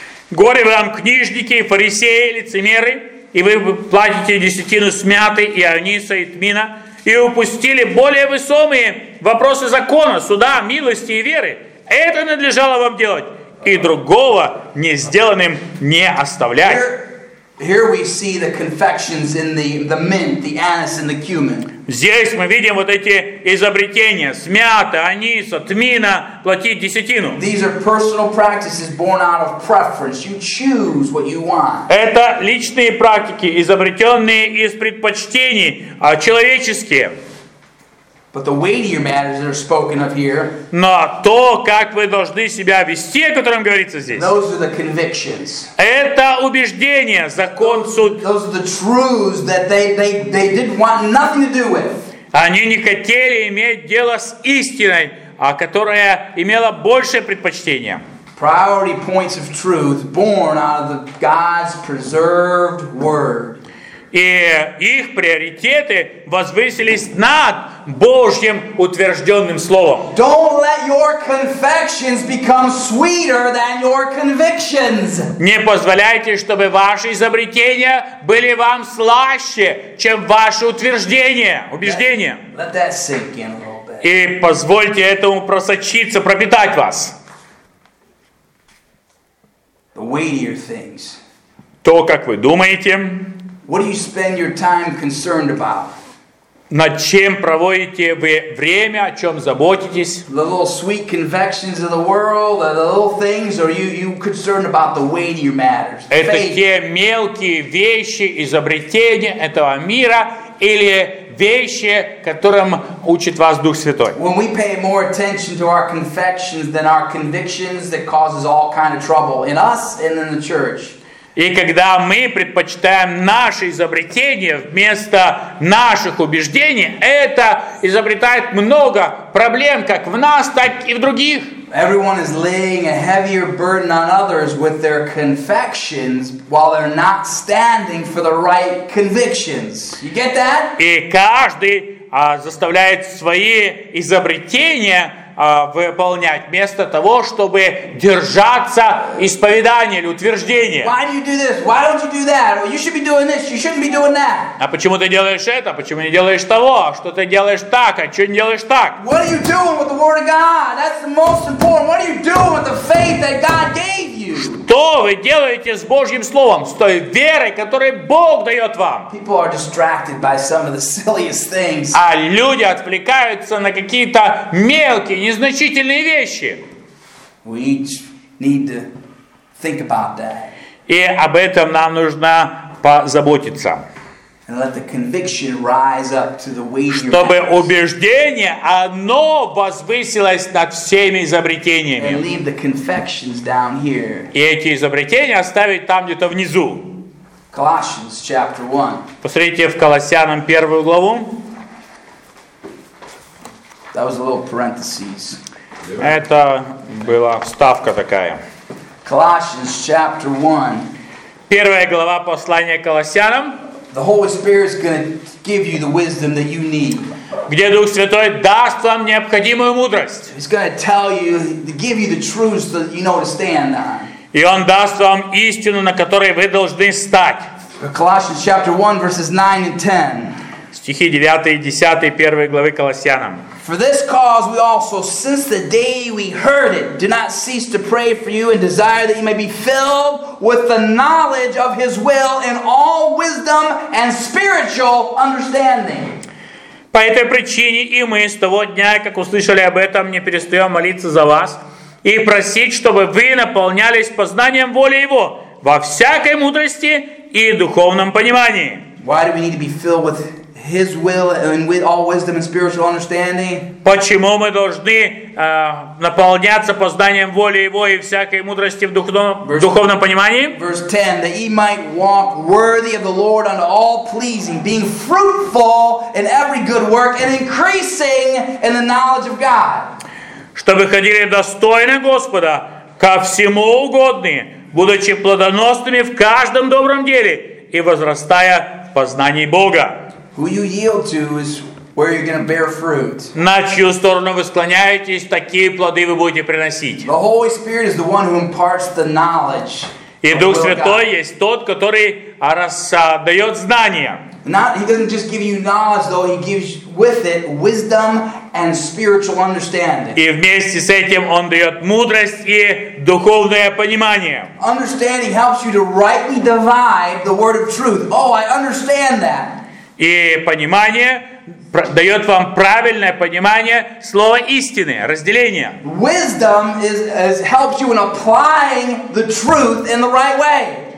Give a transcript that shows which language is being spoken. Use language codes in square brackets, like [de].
[ru] Горе вам, книжники, фарисеи, лицемеры, и вы платите десятину с мяты, и аниса, и тмина, и упустили более весомые вопросы закона, суда, милости и веры. Это надлежало вам делать, и другого не сделанным не оставлять. [en] Here we see the confections in the mint, the anise, and the cumin. [ru] Здесь мы видим вот эти изобретения: смята, аниса, тмина, платить десятину. [en] These are personal practices born out of preference. You choose what you want. [ru] Это личные практики, изобретенные из предпочтений, человеческие. [en] But the weightier matters that are spoken of here. [ru] Но то, как вы должны себя вести, о котором говорится здесь. [en] Those are the convictions. [ru] Это убеждения, закон, суд. [en] Those are the truths that they didn't want nothing to do with. [ru] Они не хотели иметь дело с истиной, а которая имела большее предпочтение. [en] Priority points of truth born out of the God's preserved word. [ru] И их приоритеты возвысились над Божьим утвержденным словом. [en] Don't let your confessions become sweeter than your convictions. [ru] Не позволяйте, чтобы ваши изобретения были вам слаще, чем ваши утверждения, убеждения. [en] Let that sink in a little bit. [ru] И позвольте этому просочиться, пропитать вас. [en] The weightier things. [ru] То, как вы думаете. [en] What do you spend your time concerned about? [ru] Над чем проводите вы время, о чем заботитесь? [en] The little sweet convictions of the world, the little things, or you concerned about the weightier matters? [ru] Это те мелкие вещи, изобретения этого мира, или вещи, которым учит вас Дух Святой? [en] When we pay more attention to our confessions than our convictions, that causes all kind of trouble in us and in the church. [ru] И когда мы предпочитаем наши изобретения вместо наших убеждений, это изобретает много проблем как в нас, так и в других. [en] Everyone is laying a heavier burden on others with their confessions while they're not standing for the right convictions. You get that? [ru] И каждый заставляет свои изобретения выполнять вместо того, чтобы держаться исповедания или утверждения. [en] Why do you do this? Why don't you do that? You should be doing this. You shouldn't be doing that. [ru] А почему ты делаешь это? Почему не делаешь того? Что ты делаешь так? А что не делаешь так? [en] What are you doing with the Word of God? That's the most important. What are you doing with the faith that God gave you? [ru] Что вы делаете с Божьим словом, с той верой, которую Бог дает вам? [en] People are distracted by some of the silliest things. [ru] А люди отвлекаются на какие-то мелкие незначительные вещи. [en] We need to think about that. [ru] И об этом нам нужно позаботиться. [en] And let the conviction rise up to the weightier matters. [ru] Чтобы убеждение, оно возвысилось над всеми изобретениями. [en] And leave the confessions down here. [ru] И эти изобретения оставить там где-то внизу. [en] Colossians chapter 1. [ru] Посмотрите в Колоссянам первую главу. [en] That was a little parentheses. [ru] Это была вставка такая. [en] Colossians chapter 1. [ru] Первая глава послания Колоссянам. [en] The Holy Spirit is going to give you the wisdom that you need. [ru] где Дух Святой даст вам необходимую мудрость. [en] He's going to tell you, give you the truths that you know to stand on. [ru] И Он даст вам истину, на которой вы должны стать. [en] Colossians chapter 1, verses 9 and 10. [ru] Стихи 9 и 10 1 главы Колоссянам. [en] For this cause we also, since the day we heard it, do not cease to pray for you and desire that you may be filled with the knowledge of His will in all wisdom and spiritual understanding. [ru] По этой причине и мы с того дня, как услышали об этом, не перестаем молиться за вас и просить, чтобы вы наполнялись познанием воли Его во всякой мудрости и духовном понимании. [en] Why do we need to be filled with His will and with all wisdom and spiritual understanding? [ru] Почему мы должны наполняться познанием воли Его и всякой мудрости в духовном понимании? [en] Verse 10, that ye might walk worthy of the Lord unto all pleasing, being fruitful in every good work and increasing in the knowledge of God. [ru] Чтобы ходили достойно Господа, ко всему угодные, будучи плодоносными в каждом добром деле и возрастая в познании Бога. [en] Who you yield to is where you're going to bear fruit. [ru] На чью сторону вы склоняетесь, такие плоды вы будете приносить. [en] The Holy Spirit is the one who imparts the knowledge. [ru] И Дух Святой есть тот, который дает знания. [en] Not, he doesn't just give you knowledge, though he gives with it wisdom and spiritual understanding. [ru] И вместе с этим он дает мудрость и духовное понимание. [en] Understanding helps you to rightly divide the word of truth. Oh, I understand that. [ru] И понимание дает вам правильное понимание слова истины, разделения. [en] Wisdom is helps you in applying the truth in the right way.